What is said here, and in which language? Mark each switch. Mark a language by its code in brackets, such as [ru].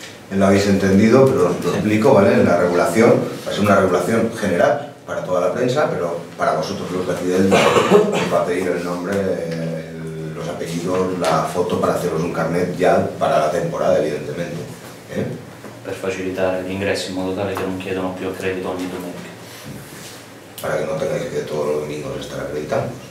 [es] Lo habéis entendido, pero lo explico, ¿vale? La regulación va a ser una regulación general para toda la prensa, pero para vosotros los de aquí del va a pedir el nombre, los apellidos, la foto para haceros un carnet ya para la temporada, evidentemente. ¿Eh? [it] Per facilitare l'ingresso in modo tale che non chiedano più accredito ogni domenica. [es] Para que no tengáis que todos los domingos estar acreditados.